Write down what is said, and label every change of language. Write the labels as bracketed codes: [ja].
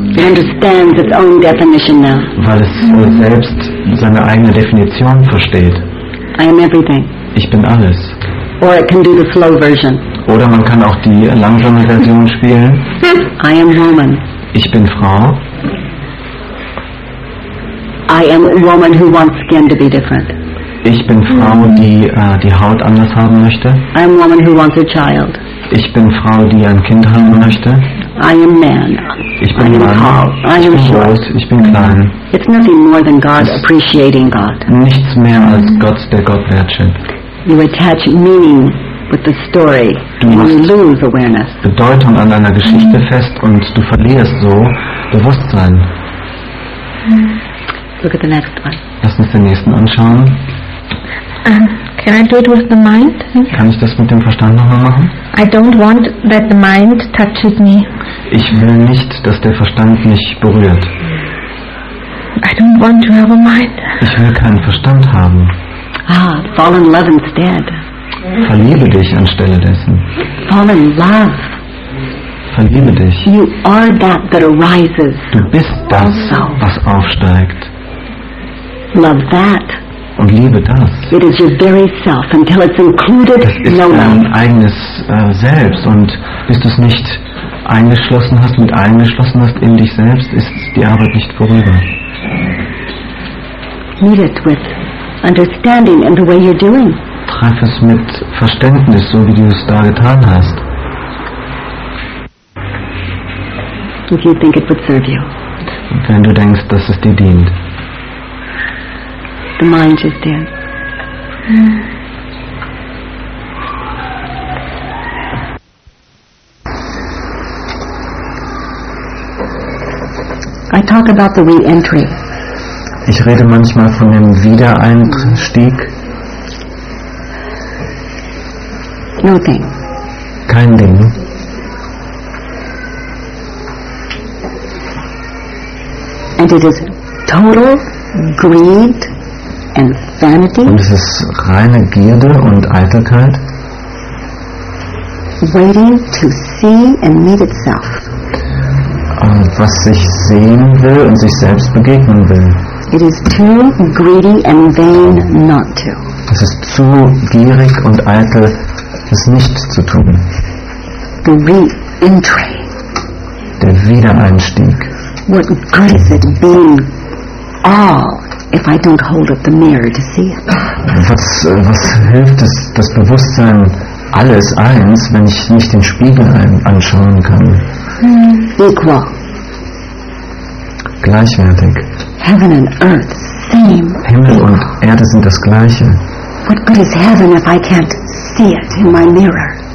[en] It understands its own definition now. [de] Weil es selbst seine eigene Definition versteht. [en] I am everything. [de] Ich bin alles. [en] Or it can do the slow version. [de] Oder man kann auch die langsame Version spielen. [en] I am woman. [de] Ich bin Frau. [en] I am a woman who wants skin to be different. [de] Ich bin Frau, die die Haut anders haben möchte. [en] I am a woman who wants a child. [de] Ich bin Frau, die ein Kind haben möchte. [en] I am man. [de] Ich bin Mann. [en] I am [de] groß. Ich bin klein. [en] It's nothing more than God appreciating God. [de] Nichts mehr als Gott, der Gott wertschätzt. [en] You attach meaning with the story, and you lose awareness. [de] Bedeutung an deiner Geschichte fest, und du verlierst so Bewusstsein. [en] Look at the next one. [de] Lass uns den nächsten anschauen. [en] Can I do it with the mind? [de] Kann ich das mit dem Verstand nochmal machen? [en] I don't want that the mind touches me. [de] Ich will nicht, dass der Verstand mich berührt. [en] I don't want to have a mind. [de] Ich will keinen Verstand haben. [en] Ah, fall in love instead. [de] Verliebe dich anstelle dessen. [en] Fall in love. [de] Verliebe dich. [en] You are that that arises. [de] Du bist das, was aufsteigt. [en] Love that. [de] Und liebe das. [en] It is your very self until it's included. [de] Das ist dein eigenes Selbst, und bis du es nicht eingeschlossen hast, mit eingeschlossen hast in dich selbst, ist die Arbeit nicht vorüber. [en] Meet it with understanding and the way you're doing. [de] Treff es mit Verständnis, so wie du es da getan hast. [en] If you think it would serve you. [de] Wenn du denkst, dass es dir dient. [en] The mind is there. I talk about the re-entry. [de] Ich rede manchmal von dem Wiedereinstieg. [en] Nothing. [de] Kein Ding. [en] And it is total greed and vanity. [de] Und es ist reine Gierde und Eitelkeit. [en] Waiting to see and meet itself. [de] was sich sehen will und sich selbst begegnen will. [en] It is too greedy and vain not to. [de] Es ist zu gierig und eitel, es nicht zu tun. [en] The re-entry. [de] Der Wiedereinstieg. [en] What good is it being all if I don't hold up the mirror to see it? [de] Was hilft es, das Bewusstsein alles eins, wenn ich nicht den Spiegel anschauen kann? [en] Equal. [de] Gleichwertig. [en] Heaven and earth, same. [de] Himmel und Erde sind das Gleiche. [en] What good is heaven if I can't see it in my mirror?